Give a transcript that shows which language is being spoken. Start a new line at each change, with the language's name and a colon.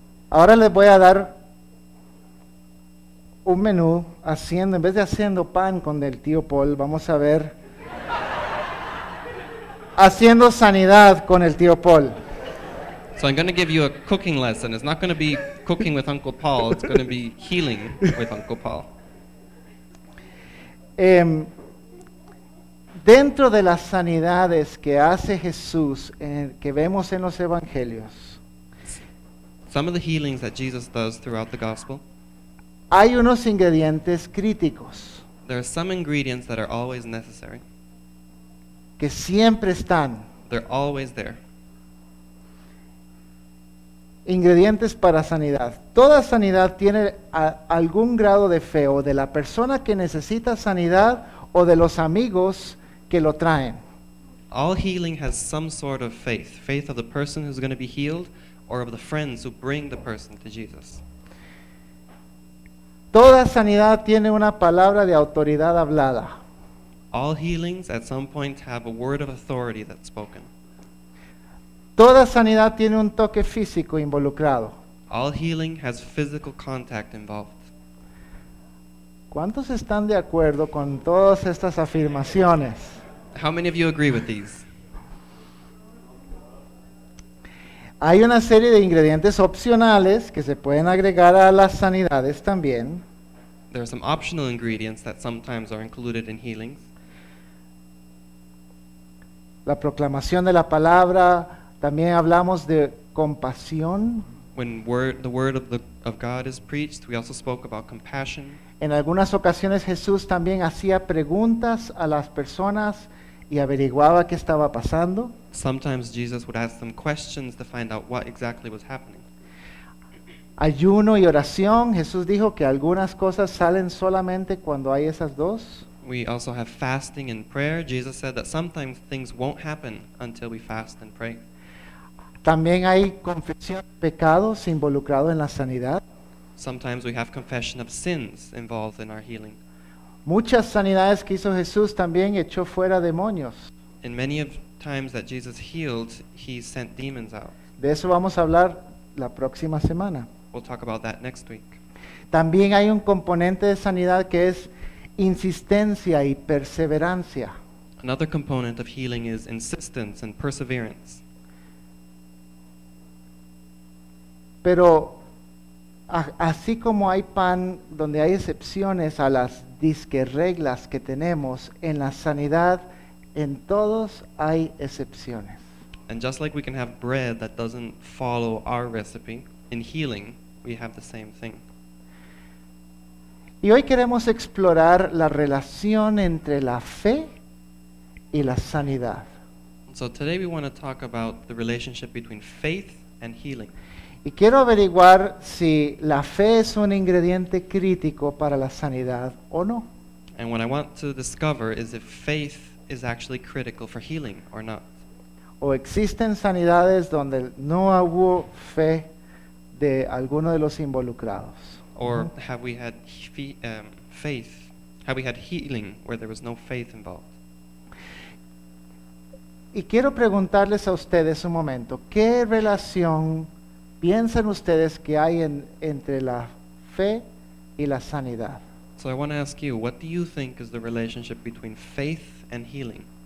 Spanish: Ahora les voy a dar un menú haciendo, en vez de haciendo pan con el tío Paul, vamos a ver haciendo sanidad con el tío Paul.
English: So I'm going to give you a cooking lesson. It's not going to be cooking with Uncle Paul. It's going to be healing with Uncle Paul.
Spanish: Dentro de las sanidades que hace Jesús, que vemos en los evangelios,
English: some of the healings that Jesus does throughout the gospel,
Spanish: hay unos ingredientes críticos.
English: There are some ingredients that are always necessary.
Spanish: Que siempre están.
English: They're always there.
Spanish: Ingredientes para sanidad. Toda sanidad tiene algún grado de fe, o de la persona que necesita sanidad, o de los amigos que lo traen.
English: All healing has some sort of faith. Faith of the person who's going to be healed, or of the friends who bring the person to Jesus.
Spanish: Toda sanidad tiene una palabra de autoridad hablada.
English: All healings at some point have a word of authority that's spoken.
Spanish: Toda sanidad tiene un toque físico involucrado.
English: All healing has physical contact involved.
Spanish: ¿Cuántos están de acuerdo con todas estas afirmaciones?
English: How many of you agree with these?
Spanish: Hay una serie de ingredientes opcionales que se pueden agregar a las sanidades también.
English: There are some optional ingredients that sometimes are included in healings.
Spanish: La proclamación de la palabra, también hablamos de compasión.
English: When the word of God is preached, we also spoke about compassion.
Spanish: En algunas ocasiones Jesús también hacía preguntas a las personas y averiguaba qué estaba pasando.
English: Sometimes Jesus would ask them questions to find out what exactly was happening.
Spanish: Ayuno y oración. Jesús dijo que algunas cosas salen solamente cuando hay esas dos.
English: We also have fasting and prayer. Jesus said that sometimes things won't happen until we fast and pray.
Spanish: También hay confesión de pecados involucrado en la sanidad.
English: Sometimes we have confession of sins involved in our healing.
Spanish: Muchas sanidades que hizo Jesús también echó fuera demonios.
English: In many of times that Jesus healed, he sent demons out.
Spanish: De eso vamos a hablar la próxima semana.
English: We'll talk about that next week.
Spanish: También hay un componente de sanidad que es insistencia y perseverancia.
English: Another component of healing is insistence and perseverance.
Spanish: Pero así como hay pan donde hay excepciones a las disque reglas que tenemos, en la sanidad en todos hay excepciones.
English: And just like we can have bread that doesn't follow our recipe, in healing we have the same thing.
Spanish: Y hoy queremos explorar la relación entre la fe y la sanidad.
English: So today we want to talk about the relationship between faith and healing.
Spanish: Y quiero averiguar si la fe es un ingrediente crítico para la sanidad o no.
English: And what I want to discover is if faith is actually critical for healing or not.
Spanish: O existen sanidades donde no hubo fe de alguno de los involucrados.
English: Or have we had faith? Have we had healing where there was no faith involved?
Spanish: Y quiero preguntarles a ustedes un momento, ¿qué relación piensan ustedes que hay entre la fe y la sanidad?
English: So I want to ask you, what do you think is the relationship between faith and healing?